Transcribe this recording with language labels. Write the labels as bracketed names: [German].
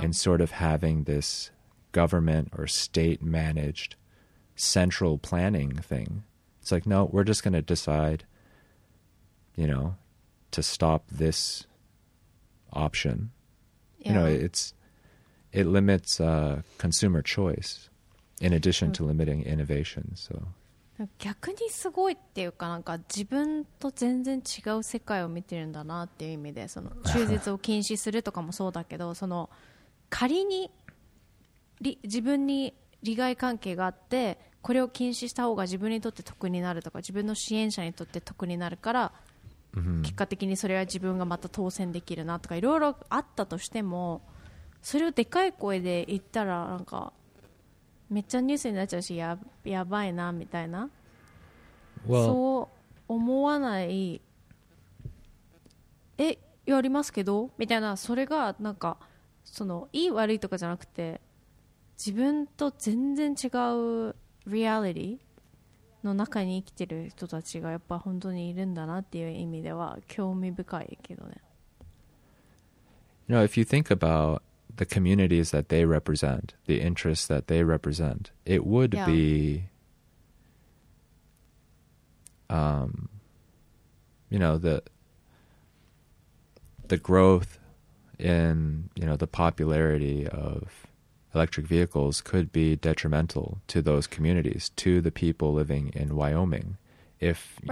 [English] And sort of having this government or state-managed central planning thing. It's like, no, we're just going to decide, you know...to stop this option. Yeah. You know, it limits consumer choice in addition to limiting innovation. So [Japanese] 逆にすごいっていうか、なんか自分と全然違う世界を見てるんだなっていう意味で、その中絶を禁止するとかもそうだけど、その仮に自分に利害関係があって、これを禁止した方が自分にとって得になるとか、自分の支援者にとって得になるから、結果的にそれは自分がまた当選できるなとか、いろいろあったとしても、それをでかい声で言ったらなんかめっちゃニュースになっちゃうし、 やばいなみたいな、 [English] well, [Japanese] そう思わない、え、やりますけどみたいな、それがなんかそのいい悪いとかじゃなくて、自分と全然違うリアリティの中に生きてる人たちがやっぱ本当にいるんだなっていう意味では興味深いけどね。 [English] You know, if you think aboutthe communities that they represent, the interests that they represent, it would yeah. be, you know, the growth in, you know, the popularity of electric vehicles could be detrimental to those communities, to the people living in Wyoming, if, you